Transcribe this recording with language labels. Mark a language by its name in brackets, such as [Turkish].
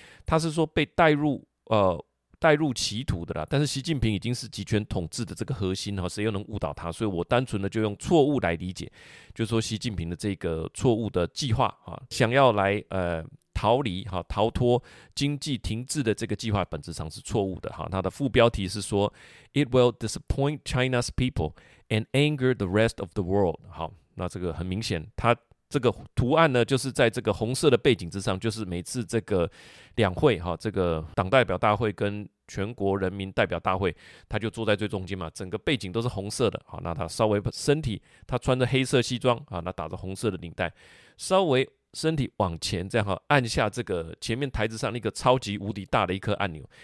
[Chinese] 它是说被带入歧途的啦，但是习近平已经是集权统治的这个核心，谁又能误导他，所以我单纯的就用错误来理解，就是说习近平的这个错误的计划想要来逃脱经济停滞的这个计划本质上是错误的。他的副标题是说 [English] It will disappoint China's people and anger the rest of the world。 [Chinese] 好，那这个很明显他这个图案呢就是在这个红色的背景之上，就是每次这个两会这个党代表大会跟全国人民代表大会，他就坐在最中间嘛，整个背景都是红色的。好，那他稍微身体他穿着黑色西装，那打着红色的领带，稍微身体往前这样按下这个前面台子上那个超级无敌大的一颗按钮。